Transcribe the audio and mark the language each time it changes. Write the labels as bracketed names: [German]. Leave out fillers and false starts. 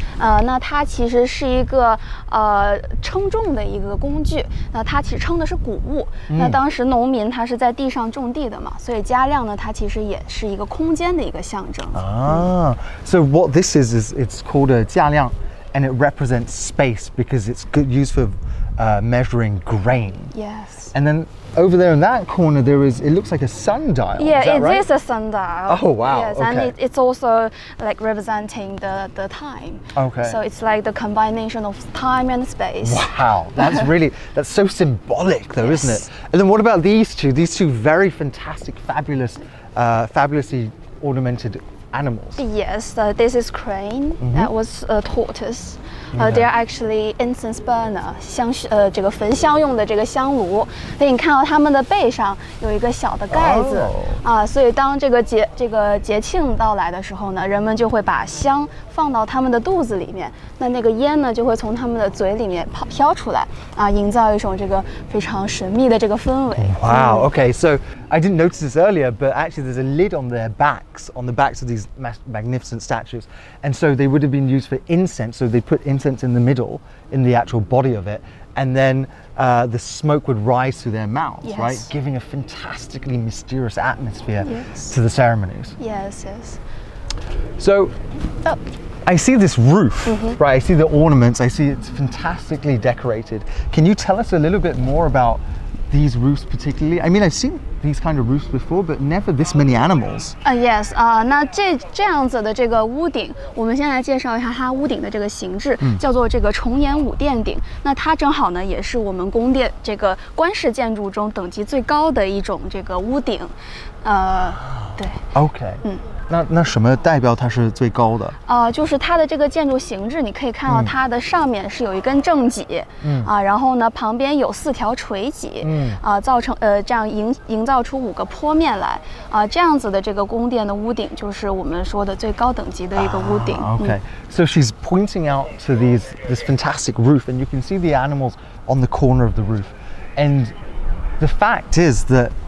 [Chinese] 那它其实是一个称重的一个工具。那它其实称的是谷物。那当时农民他是在地上种地的嘛，所以加量呢，它其实也是一个空间的一个象征。 [English] So what this is it's called a 加量。 And it represents space because it's good used for measuring grain. Yes. And then over there in that corner, it looks like a sundial. Yeah, is that right? Is a sundial. Oh, wow. Yes, okay. And it's also like representing the time. Okay. So it's like the combination of time and space. Wow, that's so symbolic though, yes. Isn't it? And then what about these two? These two very fantastic, fabulous, fabulously ornamented animals. Yes, this is crane. Mm-hmm. That was a tortoise. Okay. They are actually incense burner, [Chinese] 这个焚香用的这个香炉。所以你看到它们的背上有一个小的盖子。所以当这个节庆到来的时候呢，人们就会把香放到它们的肚子里面。那个烟呢就会从它们的嘴里面飘出来，营造一种这个非常神秘的这个氛围。 [English] Wow, okay, so I didn't notice this earlier, but actually there's a lid on their backs, on the backs of these magnificent statues. And so they would have been used for incense, so they put incense in the middle, in the actual body of it, and then the smoke would rise through their mouths, yes. Right? Giving a fantastically mysterious atmosphere, yes. To the ceremonies. Yes, yes. So, I see this roof, mm-hmm. Right? I see the ornaments, I see it's fantastically decorated. Can you tell us a little bit more about these roofs particularly? I mean, I've seen these kind of roofs before, but never this many animals. Yes. [Chinese] 那这样子的这个屋顶，我们先来介绍一下它屋顶的这个形制，叫做这个重檐五殿顶。那它正好呢，也是我们宫殿这个官式建筑中等级最高的一种这个屋顶。对。 [English] OK。 [Chinese] 那什么代表它是最高的？就是它的这个建筑形制，你可以看到它的上面是有一根正脊，然后呢旁边有四条垂脊，造成这样营造出五个坡面来，这样子的这个宫殿的屋顶就是我们说的最高等级的一个屋顶。 [English] Okay, so she's pointing out to this fantastic roof, and you can see the animals on the corner of the roof, and the fact is that.